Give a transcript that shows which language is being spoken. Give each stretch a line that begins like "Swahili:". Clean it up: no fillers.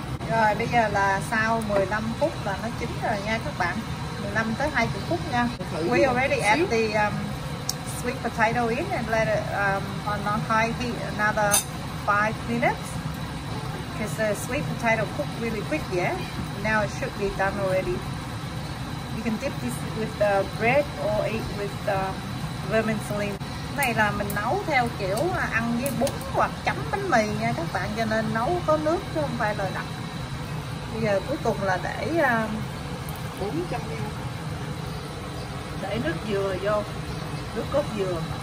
Vietnamese: Rồi bây giờ là sau 15 phút là nó chín rồi nha các bạn. 15 tới 20 phút nha.
English: We already add the sweet potato in and let it on high heat another 5 minutes, because the sweet potato cooked really quick. Yeah, now it should be done already. You can dip this with the bread or eat with the vermicelli.
Vietnamese: Này là mình nấu theo kiểu ăn với bún hoặc chấm bánh mì nha các bạn, cho nên nấu có nước chứ không phải là đặc. Bây giờ cuối cùng là để 400 ml, để nước dừa vô, nước cốt dừa.